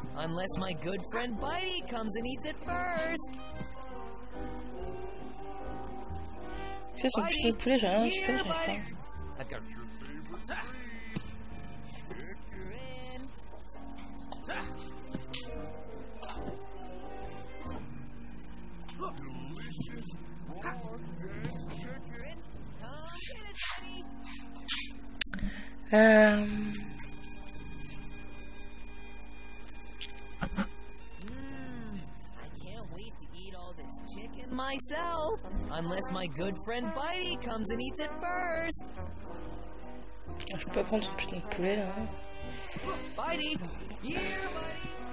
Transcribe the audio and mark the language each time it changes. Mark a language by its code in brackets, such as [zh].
[en] Unless my good friend Bitey comes and eats it first. [fr] C'est son petit poulet, j'ai rien, j'ai rien. [en] I've got your favorite chicken. I can't wait to eat all this chicken myself. Unless my good friend Bitey comes and eats it first. [fr] Je peux pas prendre son putain de poulet là. [en] Bitey, here, buddy.